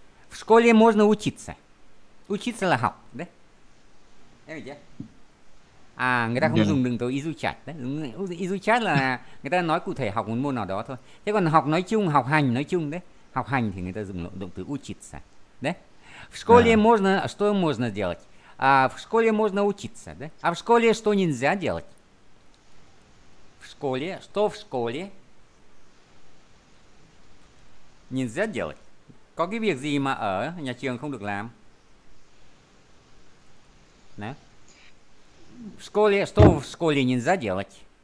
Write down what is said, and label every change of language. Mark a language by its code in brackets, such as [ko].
[ru] В школе можно учиться. [vi] Учиться là học. Đấy. Em hiểu chưa? À, người ta không dùng đừng từ изучать đấy. Изучать là người ta nói cụ thể học một môn nào đó thôi. Thế còn học nói chung, học hành nói chung đấy. Học hành thì người ta dùng động từ учиться. Đấy. [ru] В школе можно, что можно делать? À, в школе можно учиться, да? А в школе что нельзя делать? В школе, что в школе нельзя делать? [vi] Có cái việc gì mà ở nhà trường không được làm? Đấy. [ru] В школе, что в школе нельзя делать?